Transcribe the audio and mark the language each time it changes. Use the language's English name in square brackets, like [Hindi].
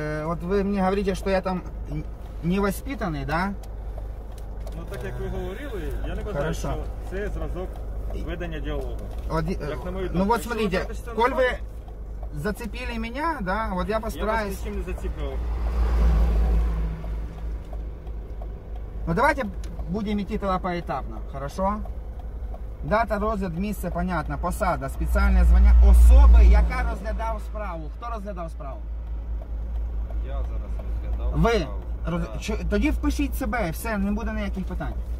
[Ukrainian] От ви мені говорите, що я там невоспитаний, да? Ну так як ви говорили, я не казав, що це зразок ведення діалогу. От, як на мою думку, ну от [Russian] смотрите, [Ukrainian] коль ви зацепили мене, да, от я постараюсь. Я вас нічим не зацепив. Ну давайте. [Russian] Будем идти тогда поэтапно, хорошо? [Ukrainian] Дата розгляд, місце, понятно. Посада, спеціальне звання. Особи, яка розглядав справу? Хто розглядав справу? Я зараз розглядав. Ви? Справу. Роз... Да. Чо... Тоді впишіть себе, все, не буде ніяких питань.